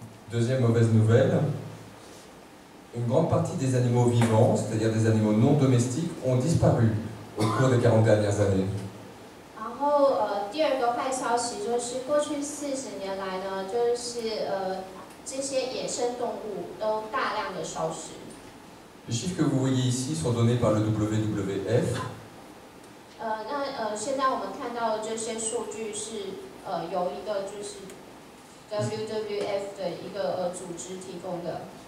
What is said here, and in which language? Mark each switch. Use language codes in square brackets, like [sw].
[fr] Deuxième mauvaise nouvelle, une grande partie des animaux vivants, c'est-à-dire des animaux non domestiques, ont disparu au cours des 40 dernières années. [zh] 然后第二个坏消息就是过去四十年来呢，就是这些野生动物都大量的消失。 [fr] Les chiffres que vous voyez ici sont donnés par le WWF. [zh] 现在我们看到的这些数据是由一个就是 WWF 的一个组织提供的。